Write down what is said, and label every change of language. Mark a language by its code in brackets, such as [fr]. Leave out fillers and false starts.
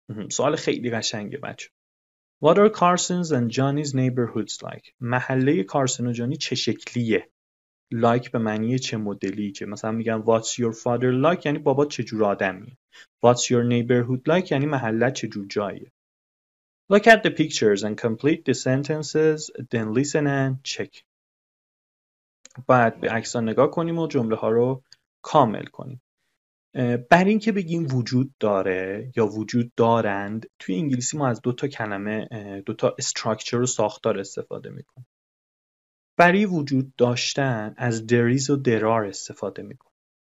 [fa] سوال خیلی قشنگه بچه. [en] What are Carson's and Johnny's neighborhoods like? [fa] محله کارسن و جانی چه شکلیه؟ Like به معنی چه مدلی؟ مثلا میگم [en] What's your father like؟ [fa] یعنی بابا چجور آدمیه. [en] What's your neighborhood like؟ [fa] یعنی محله چجور جاییه. [en] Look at the pictures and complete the sentences, then listen and check. [fa] بعد به عکس ها نگاه کنیم و جمله ها رو کامل کنیم. بر این که بگیم وجود داره یا وجود دارند، توی انگلیسی ما از دوتا استراکچر و ساختار استفاده میکنیم. برای وجود داشتن از there is و there are استفاده میکنیم.